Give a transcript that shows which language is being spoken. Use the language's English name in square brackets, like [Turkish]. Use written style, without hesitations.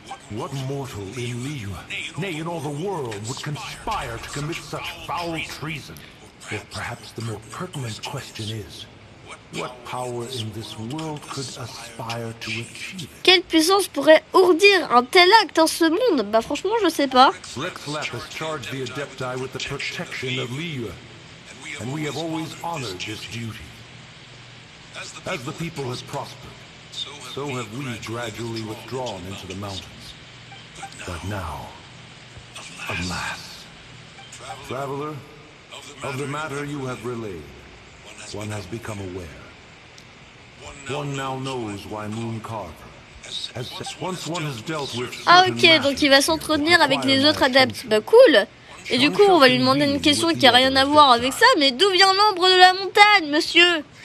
[English] What mortal in Liyue, nay in all the world, would conspire to commit such foul treason? Or perhaps the more pertinent question is, what power in this world could aspire to achieve? [French] Quelle puissance pourrait ourdir un tel acte en ce monde? Bah franchement, je sais pas. [English] Rex Lapis charged the Adepti with the protection of Liyue, and we have always honored this duty. As the people have prospered, so have we gradually withdrawn into the mountains. But now, alas, traveler, of the matter you have relayed, one has become aware. One now knows why Moon Carver [French] Ah ok, donc il va s'entretenir avec les autres adeptes. Bah cool. Et du coup, on va lui demander une question qui a rien à voir avec ça, mais d'où vient l'ombre de la montagne, monsieur?